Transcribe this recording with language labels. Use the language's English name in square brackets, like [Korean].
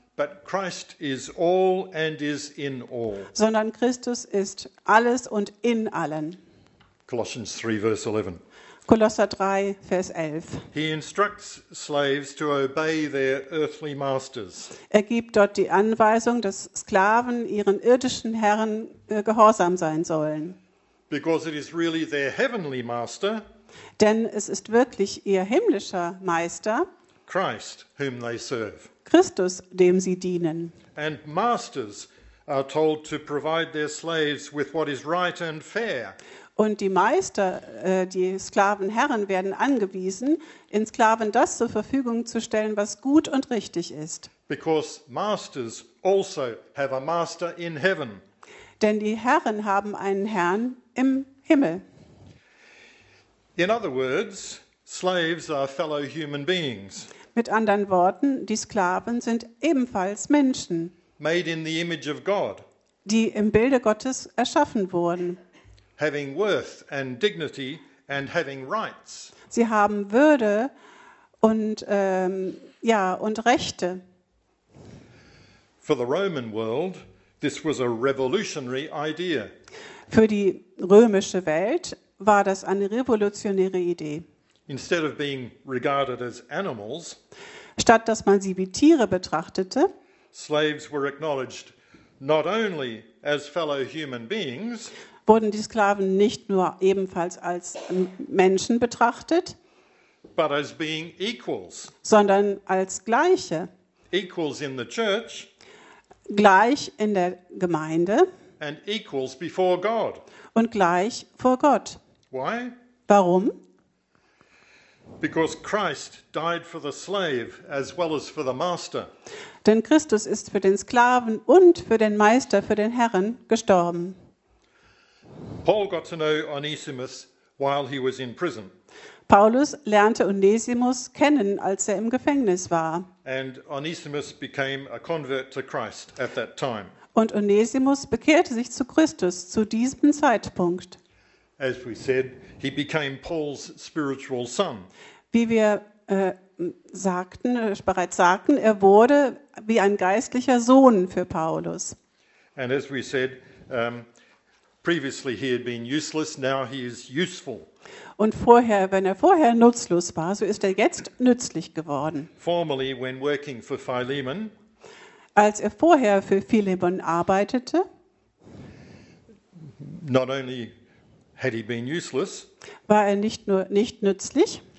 [English] but Christ is all and is in all. [German] Sondern Christus ist alles und in allen. [English] Colossians 3, verse 11. [German] Kolosser 3, Vers 11. [English] He instructs slaves to obey their earthly masters. [German] Er gibt dort die Anweisung, dass Sklaven ihren irdischen Herren gehorsam sein sollen. [English] Because it is really their heavenly master. [German] Denn es ist wirklich ihr himmlischer Meister. [English] Christ, whom they serve. [German] Christus, dem sie dienen. [English] And masters are told to provide their slaves with what is right and fair. [German] Und die Meister, die Sklavenherren, werden angewiesen, den Sklaven das zur Verfügung zu stellen, was gut und richtig ist. [English] Because masters also have a master in heaven. [German] Denn die Herren haben einen Herrn im Himmel. [English] In other words, slaves are fellow human beings. [German] Mit anderen Worten, die Sklaven sind ebenfalls Menschen. [English] Made in the image of God. [German] Die im Bilde Gottes erschaffen wurden. [English] Having worth and dignity and having rights. [German] Sie haben Würde und und Rechte. [English] For the Roman world, this was a revolutionary idea. [German] Für die römische Welt war das eine revolutionäre Idee. [English] Instead of being regarded as animals, [German] statt dass man sie wie Tiere betrachtete, [English] slaves were acknowledged not only as fellow human beings, [German] wurden die Sklaven nicht nur ebenfalls als Menschen betrachtet, [English] but as being equals, [German] sondern als Gleiche. [English] Equals in the church, [German] gleich in der Gemeinde [English] and equals before God. [German] Und gleich vor Gott. [English] Why? [German] Warum? [English] Because Christ died for the slave as well as for the master. [German] Denn Christus ist für den Sklaven und für den Meister, für den Herrn gestorben. [English] Paul got to know Onesimus while he was in prison. [German] Paulus lernte Onesimus kennen, als er im Gefängnis war. [English] And Onesimus became a convert to Christ at that time. [German] Und Onesimus bekehrte sich zu Christus zu diesem Zeitpunkt. [English] As we said, he became Paul's spiritual son. [German] Wie wir bereits sagten, er wurde wie ein geistlicher Sohn für Paulus. [English] And as we said, previously he had been useless, now he is useful. [German] Und vorher, wenn er vorher nutzlos war, so ist er jetzt nützlich geworden. [English] Formerly when working for Philemon, [German] als er vorher für Philemon arbeitete, [English] not only had he been useless, [German] war er nicht nur nicht nützlich,